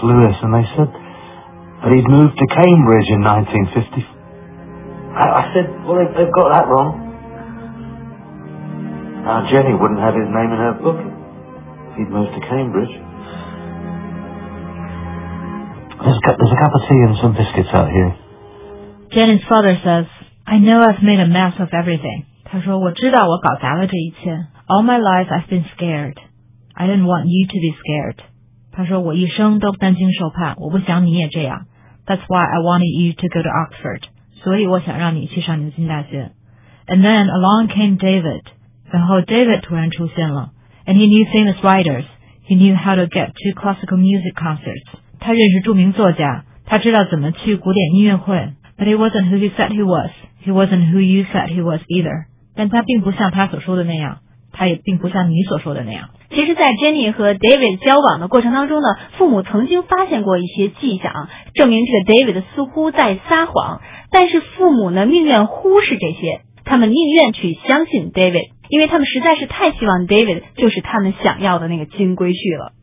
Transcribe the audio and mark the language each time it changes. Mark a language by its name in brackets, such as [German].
[English] Lewis, and they said that he'd moved to Cambridge in 1950. I said, well, they've got that wrong. Now, Jenny wouldn't have his name in her book if he'd moved to Cambridge. There's a cup of tea and some biscuits out here. Jenny's father says, I know I've made a mess of everything. [Chinese] 他说我知道我搞砸了这一切。 [English] All my life I've been scared. I didn't want you to be scared. [Chinese] 他说我一生都担惊受怕，我不想你也这样。 [English] That's why I wanted you to go to Oxford. [Chinese] 所以我想让你去上牛津大学。 [English] And then along came David. [Chinese] 然后 David 突然出现了。 [English] and he knew famous writers. He knew how to get to classical music concerts. [Chinese] 他认识著名作家，他知道怎么去古典音乐会。 [English] But he wasn't who he said he was. He wasn't who you said he was either. [Chinese] 但他并不像他所说的那样，他也并不像你所说的那样。其实，在 Jenny 和 David 交往的过程当中呢，父母曾经发现过一些迹象，证明这个 David 似乎在撒谎。但是父母呢，宁愿忽视这些，他们宁愿去相信 David， 因为他们实在是太希望 David 就是他们想要的那个金龟婿了。